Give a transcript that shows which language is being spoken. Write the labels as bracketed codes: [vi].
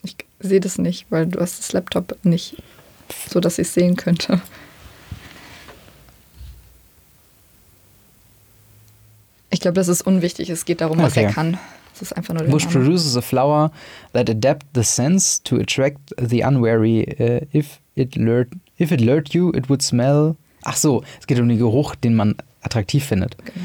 [de] Ich sehe das nicht, weil du hast das Laptop nicht, so dass ich es sehen könnte. Ich glaube, das ist unwichtig. Es geht darum, was er kann. Es ist einfach nur der Bush Name. [en] Produces a flower that adapts the scents to attract the unwary. If it lured you, it would smell. [de] Ach so, es geht um den Geruch, den man attraktiv findet.